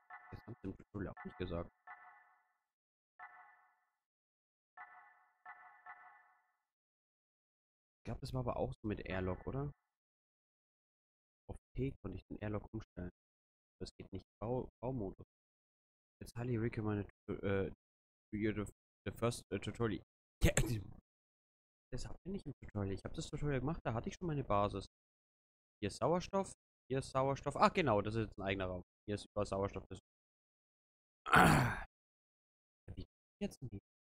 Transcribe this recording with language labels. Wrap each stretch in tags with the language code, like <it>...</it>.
<de>Das haben sie im Tutorial auch nicht gesagt. Ich glaube, das war aber auch so mit Airlock, oder? Auf T konnte ich den Airlock umstellen. Das geht nicht. Baumodus.</de> <en>It's highly recommended to you the first tutorial. Yeah.</en> <de>Das habe ich nicht im Tutorial. Ich habe das Tutorial gemacht, da hatte ich schon meine Basis. Hier ist Sauerstoff. Ach genau, das ist jetzt ein eigener Raum. Hier ist über Sauerstoff. Das wie geht das jetzt denn?</de>